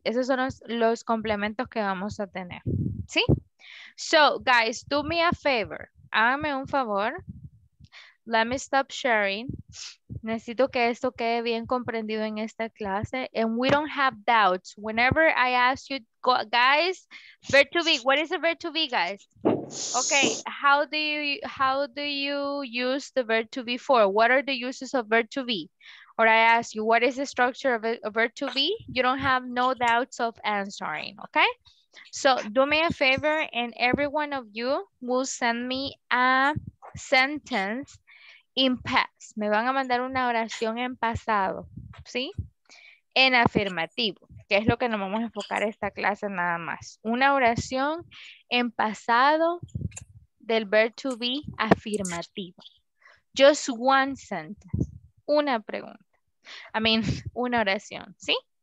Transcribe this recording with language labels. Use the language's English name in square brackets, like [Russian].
[Spanish] Esos son los complementos que vamos a tener. ¿Sí? [English] So, guys, do me a favor. [Spanish] Hágame un favor. [English] Let me stop sharing. [Spanish] Necesito que esto quede bien comprendido en esta clase. [English] And we don't have doubts. Whenever I ask you, guys, verb to be. What is a verb to be, guys? Okay, how do you use the verb to be for? What are the uses of verb to be? Or I ask you, what is the structure of a verb to be? You don't have no doubts of answering, okay? So do me a favor and every one of you will send me a sentence in past. [Spanish] Me van a mandar una oración en pasado, ¿sí? En afirmativo, que es lo que nos vamos a enfocar esta clase nada más. Una oración en pasado del verb to be afirmativo. [English] Just one sentence, [Spanish] una pregunta. [English] I mean, [Spanish] una oración, ¿sí?